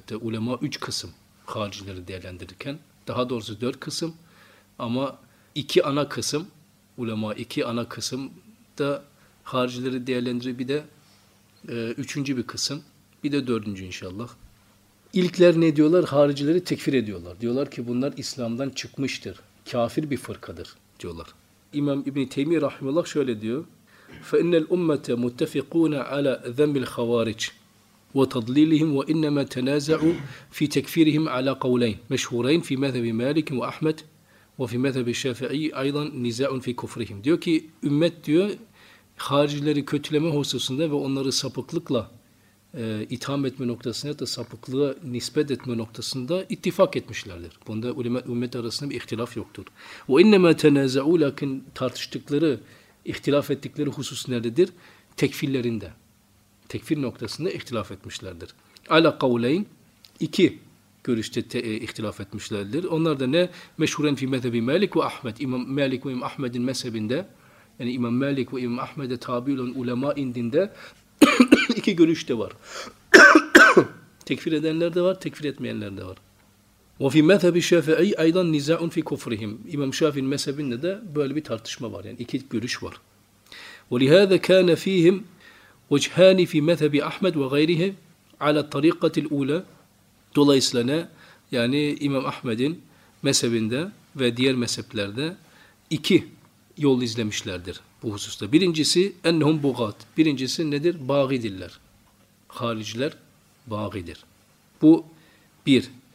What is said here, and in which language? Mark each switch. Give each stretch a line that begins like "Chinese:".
Turkish: Hatta ulema 3 kısım haricileri değerlendirirken. Daha doğrusu 4 kısım ama 2 ana kısım ulema, iki ana kısım da haricileri değerlendiriyor, bir de üçüncü bir kısım, bir de dördüncü inşallah. İlkler ne diyorlar? Haricileri tekfir ediyorlar. Diyorlar ki bunlar İslam'dan çıkmıştır, kafir bir fırkadır diyorlar. İmam İbni Teymiye rahimullah şöyle diyor:
Arabic: فَاِنَّ الْاُمَّةَ مُتَّفِقُونَ عَلَى ذَمِّ الْخَوَارِجِ وَتَضْلِيلِهِمْ وَاِنَّمَا تَنَازَعُوا فِي تَكْفِيرِهِمْ عَلَى قَوْلَيْنِ مَشْهُورَيْنْ فِي مَذَبِ مَالِكٍ وَاَحْمَدٍ وَفِي مَذَبِ الشَّافِعِيِّ اَيْضًا نِزَعٌ فِي كُفْرِهِمْ.
Turkish: Diyor ki ümmet diyor haricileri kötüleme hususunda ve onları sapıklıkla itham etme noktasında ya da sapıklığa nispet etme noktasında ittifak etmişlerdir. Bunda ümmet arasında bir ihtilaf yoktur.
Arabic: وَاِنَّمَا تَنَازَعُوا
Turkish: لَكِنْ tartıştıkları, ihtilaf ettikleri husus nerededir? Tekfirlerinde. Tekfir noktasında ihtilaf etmişlerdir.
Arabic: Ala kavleyn,
Turkish: iki görüşte ihtilaf etmişlerdir. Onlar da ne?
Arabic: Meşhuren fi mezhebi Malik ve Ahmed.
Turkish: İmam Malik ve İmam Ahmed'in mezhebinde, yani İmam Malik ve İmam Ahmed'e tabi olan ulema indinde iki görüş de var. Tekfir edenler de var, tekfir etmeyenler de var.
Arabic: Ve fi mezhebi Şafii aydan niza'un fi kufrihim.
Turkish: İmam Şafii'nin mezhebinde de böyle bir tartışma var. Yani iki görüş var.
Arabic: Ve lehaza kana fihim وجهان في مذهب احمد وغيره على الطريقه الاولى.
Turkish: Dolayısıyla ne? Yani İmam Ahmed'in mezhebinde ve diğer mezheplerde iki yol izlemişlerdir bu hususta. Birincisi
Arabic: enhum bugat.
Turkish: Birincisi nedir? Bağidirler. Hariciler bağidir. Bu bir.